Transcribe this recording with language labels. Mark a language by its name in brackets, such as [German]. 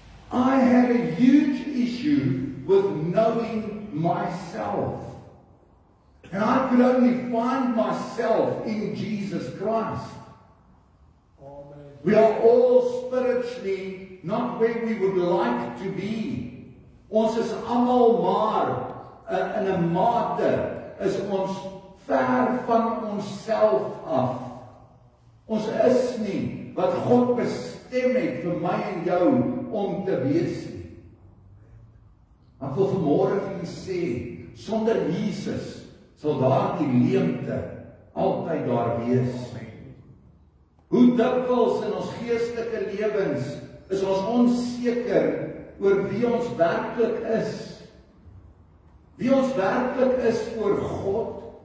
[English] I have a huge issue with knowing myself. And I could only find myself in Jesus Christ. Amen. We are all spiritually not where we would like to be. [Afrikaans] Ons is allemaal maar in 'n mate is ons ver van onsself af. Ons is nie wat God bestem het vir my en jou om te wees nie. Ek wil vanmôre vir julle sê, sonder Jesus sal daardie leemte altyd daar wees. Hoe dikwels in ons geestelike lewens is ons onseker oor wie ons werklik is. Wie ons werklik is voor God.